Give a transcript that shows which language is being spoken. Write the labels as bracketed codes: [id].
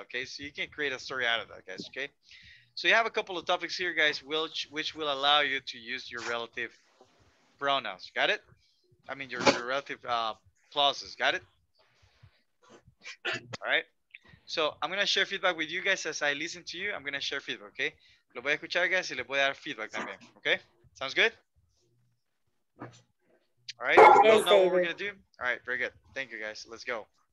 [en] Okay, so you can create a story out of that, guys, okay? So you have a couple of topics here, guys, which will allow you to use your relative pronouns. Got it? I mean, your relative clauses. Got it? All right. So I'm going to share feedback with you guys as I listen to you. I'm going to share feedback, okay? [es] Lo voy a escuchar, guys, y le voy a dar feedback también, okay? [en] Sounds good? All right. Yes, you all know what we're going to do? All right. Very good. Thank you, guys. Let's go.